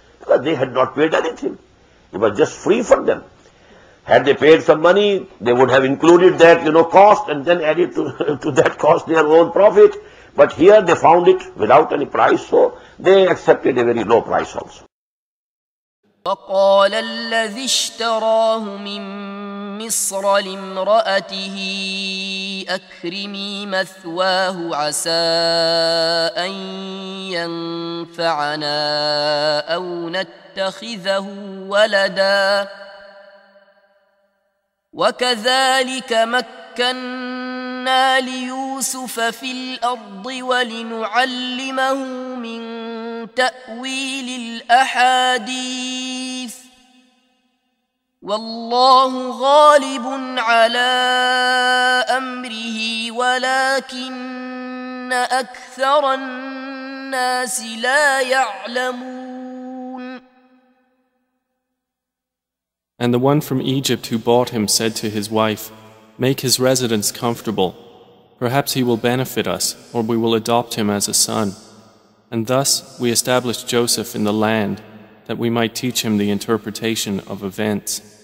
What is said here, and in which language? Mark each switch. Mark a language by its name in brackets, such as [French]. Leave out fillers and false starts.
[English] Because they had not paid anything. It was just free for them. Had they paid some money, they would have included that, you know, cost, and then added to that cost their own profit. But here they found it without any price, so they accepted a very low price also. [Arabic] وقال الذي اشتراه من مصر لامرأته أكرمي مثواه عسى أن ينفعنا أو نتخذه ولدا. وكذلك مكنا ليوسف في الأرض ولنعلمه من تأويل الأحاديث والله غالب على أمره ولكن أكثر الناس لا يعلمون. [English] And the one from Egypt who bought him said to his wife, make his residence comfortable. Perhaps he will benefit us, or we will adopt him as a son. And thus we established Joseph in the land, that we might teach him the interpretation of events.